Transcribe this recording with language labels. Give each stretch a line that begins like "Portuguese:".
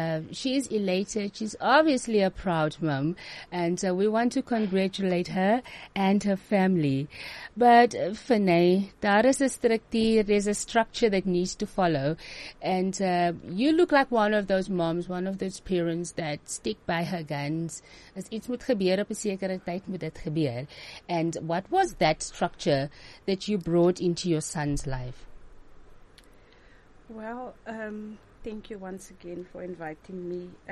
English: She is elated. She's obviously a proud mom. And so we want to congratulate her and her family. But Fanay, there is a structure, that needs to follow. And you look like one of those moms, one of those parents that stick by her guns.
Afrikaans: As iets moet gebeur op 'n sekere tyd moet dit gebeur.
English: And what was that structure that you brought into your son's life? Well, thank you once again for inviting me.